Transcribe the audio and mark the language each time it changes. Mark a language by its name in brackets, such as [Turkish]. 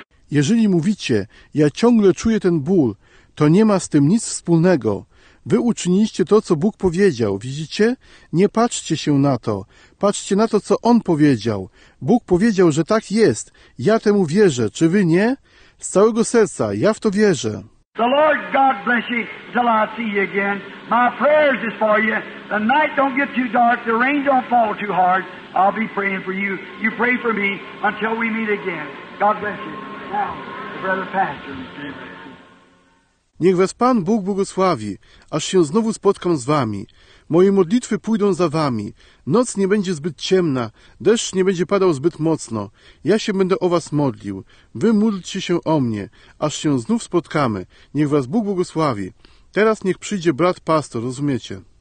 [Polish] Jeżeli mówicie, ja ciągle czuję ten ból, to nie ma z tym nic wspólnego. Wy uczyniliście to, co Bóg powiedział, widzicie? Nie patrzcie się na to. Patrzcie na to, co On powiedział. Bóg powiedział, że tak jest. Ja temu wierzę. Czy wy nie? Z całego serca, ja w to wierzę. [English] The Lord God bless you till I see you again. My prayers is for you. The night don't get too dark, the rain don't fall too hard. I'll be praying for you. You pray for me until we meet again. God bless you. Now, the brother pastor. [Polish] Niech was Pan Bóg błogosławi, aż się znowu spotkam z wami. Moje modlitwy pójdą za wami. Noc nie będzie zbyt ciemna, deszcz nie będzie padał zbyt mocno. Ja się będę o was modlił. Wy módlcie się o mnie, aż się znów spotkamy. Niech was Bóg błogosławi. Teraz niech przyjdzie brat pastor, rozumiecie?